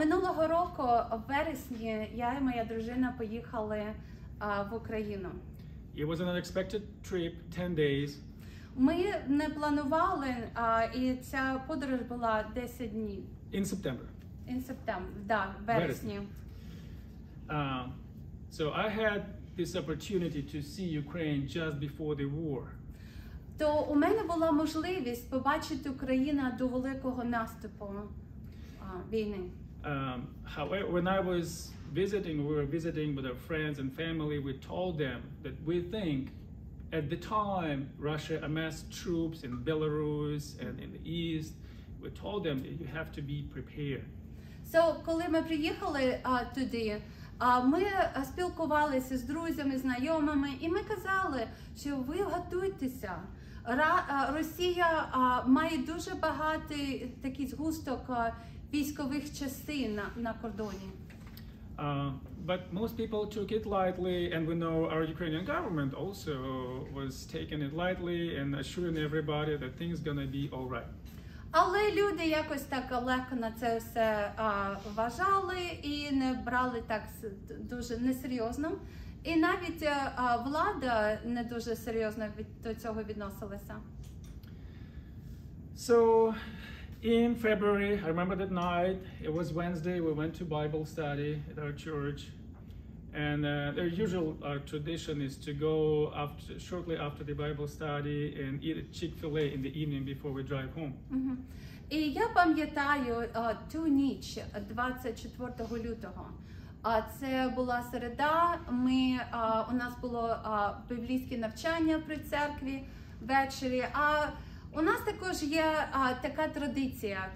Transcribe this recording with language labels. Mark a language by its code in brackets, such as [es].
[uk] Минулого року, в вересні, я і моя дружина поїхали в Україну. [en] It was an unexpected trip, 10 days. [uk] Ми не планували, і ця подорож була 10 днів. [en] In September, [uk] так, в вересні. [en] So I had this opportunity to see Ukraine just before the war. [uk] То у мене була можливість побачити Україну до великого наступу війни. [en] However, when I was visiting, we were visiting with our friends and family, we told them that we think at the time Russia amassed troops in Belarus and in the east, we told them that you have to be prepared. [uk] So, коли ми приїхали туди, ми спілкувалися з друзями, знайомими, і ми казали, що ви готуйтеся. Росія має дуже багатий такий згусток військових частин на кордоні. [en] But most people took it lightly, and we know our Ukrainian government also was taking it lightly and assuring everybody that things gonna be all right. [uk] Але люди якось так легко на це все вважали і не брали так дуже несерйозно. І навіть влада не дуже серйозно до цього відносилася. [en] So, in February, I remember that night, it was Wednesday, we went to Bible study at our church. And their usual tradition is to go after, shortly after the Bible study and eat a Chick-fil-A in the evening before we drive home. [uk] Mm-hmm. І я пам'ятаю ту ніч, 24 лютого. Це була середа, у нас було біблійське навчання при церкві ввечері, а у нас також є така традиція.